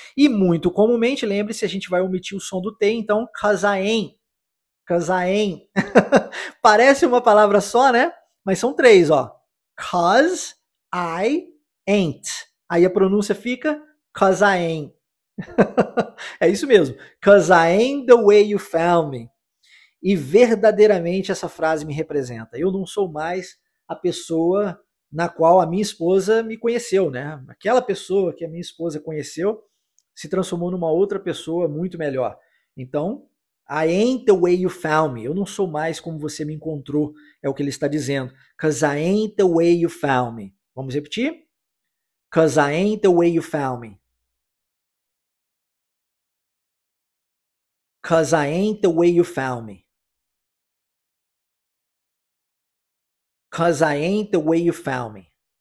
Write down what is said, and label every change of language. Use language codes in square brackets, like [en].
[pt] E muito comumente, lembre-se, a gente vai omitir o som do T, então [en] 'cause I ain't', 'cause I ain't'. [pt] Parece uma palavra só, né? Mas são três, ó. [en] 'Cause I ain't'. [pt] Aí a pronúncia fica [en] 'cause I ain't'. [pt] É isso mesmo. [en] 'Cause I ain't the way you found me. [pt] E verdadeiramente essa frase me representa. Eu não sou mais a pessoa na qual a minha esposa me conheceu, né? Aquela pessoa que a minha esposa conheceu se transformou numa outra pessoa muito melhor. Então, [en] I ain't the way you found me. [pt] Eu não sou mais como você me encontrou, é o que ele está dizendo. [en] 'Cause I ain't the way you found me. [pt] Vamos repetir? [en] 'Cause I ain't the way you found me. 'Cause I ain't the way you found me. 'Cause I ain't the way you found me.